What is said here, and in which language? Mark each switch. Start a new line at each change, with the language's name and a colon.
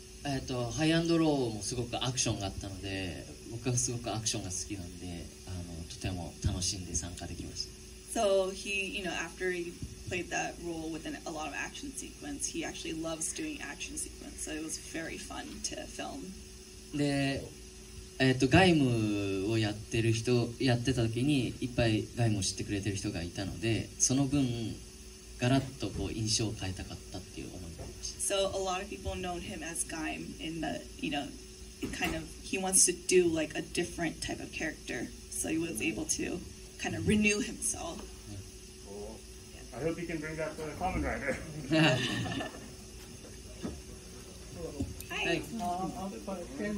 Japanese: ハイアンドローもすごくアクションがあったので、僕はすごくアクションが好きなんで、とても楽しんで参加できました。
English: So he, you know, after he played that role with a lot of action sequence, he actually loves doing action sequence. So it was very fun to film. で、ガイムをやってる人、やってた時にいっぱいガイムを知ってくれてる人がいたので、その分ガラッとこう印象を変えたかったっていう思いがありました。 So a lot of people known him as Gaim in the, you know, kind of, he wants to do like a different type of character. So he was able to kind of renew himself. Cool. Yeah. I hope he can bring that to the Kamen Rider. Hi. I have a question.